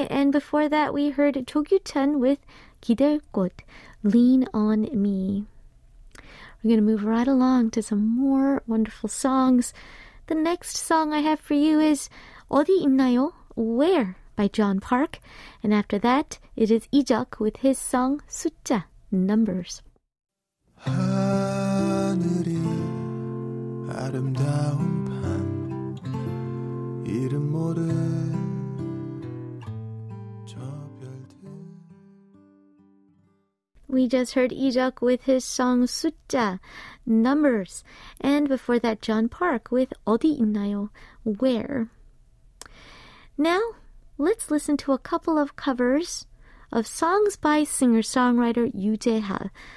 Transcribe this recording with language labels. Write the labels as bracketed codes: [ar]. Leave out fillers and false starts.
[en] And before that, we heard Cho Kyu-chan with 기댈 곳, Lean on Me. We're going to move right along to some more wonderful songs. The next song I have for you is 어디 있나요? Where? By John Park. And after that, it is 이적 with his song 숫자, Numbers. [ko] 하늘이 아름다운 이름 모를 저 별들. [en] We just heard 이적 with his song 숫자, Numbers. And before that, John Park with 어디 있나요, Where. Now, let's listen to a couple of covers of songs by singer-songwriter 유재하.